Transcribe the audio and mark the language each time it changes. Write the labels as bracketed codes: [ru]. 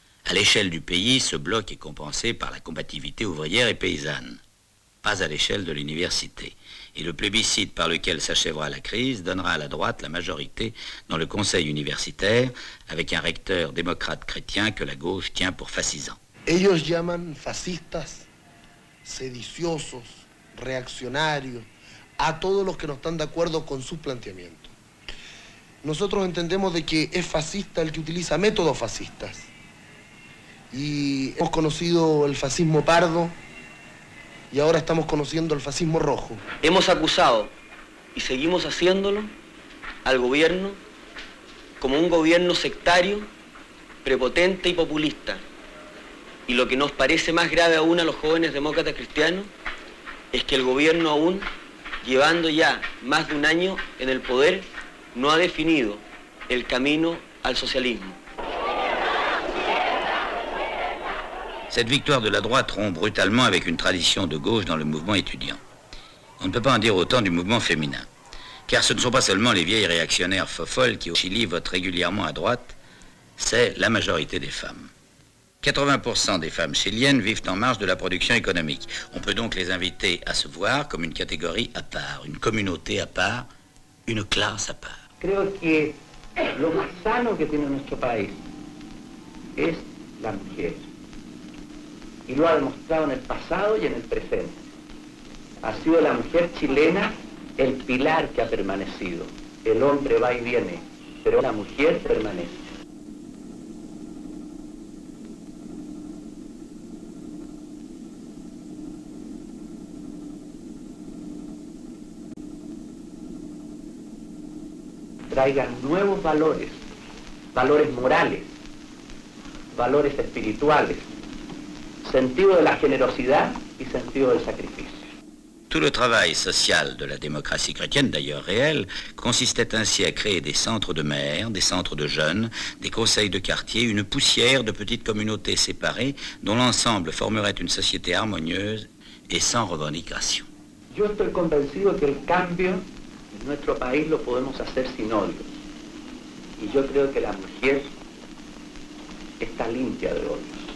[fr] À l'échelle du pays, ce bloc est compensé par la combativité ouvrière et paysanne, pas à l'échelle de l'université. Et le plébiscite par lequel s'achèvera la crise donnera à la droite la majorité dans le conseil universitaire avec un recteur démocrate chrétien que la gauche tient pour fascisant. [es] Ellos llaman fascistas, sediciosos, reaccionarios, a todos los que no están de acuerdo con sus planteamientos. Nosotros entendemos de que es fascista el que utiliza métodos fascistas. Y hemos conocido el fascismo pardo y ahora estamos conociendo el fascismo rojo. Hemos acusado y seguimos haciéndolo al gobierno como un gobierno sectario, prepotente y populista. Y lo que nos parece más grave aún a los jóvenes demócratas cristianos es que el gobierno aún, llevando ya más de un año en el poder, no ha definido el camino al socialismo. [fr] Cette victoire de la droite rompt brutalement avec une tradition de gauche dans le mouvement étudiant. On ne peut pas en dire autant du mouvement féminin. Car ce ne sont pas seulement les vieilles réactionnaires fofolles qui au Chili votent régulièrement à droite, c'est la majorité des femmes. 80% des femmes chiliennes vivent en marge de la production économique. On peut donc les inviter à se voir comme une catégorie à part, une communauté à part, une classe à part. [es] Creo que lo más sano que tiene nuestro país es la mujer. Y lo ha demostrado en el pasado y en el presente. Ha sido la mujer chilena el pilar que ha permanecido. El hombre va y viene, pero la mujer permanece. Traigan nuevos valores, valores morales, valores espirituales. Sentido de la generosidad y sentido del sacrificio. [fr] Tout le travail social de la démocratie chrétienne, d'ailleurs réel, consistait ainsi à créer des centres de maires, des centres de jeunes, des conseils de quartier, une poussière de petites communautés séparées dont l'ensemble formerait une société harmonieuse et sans revendication. [es] Yo estoy convencido que el cambio en nuestro país lo podemos hacer sin odio. Y yo creo que la mujer está limpia de odio.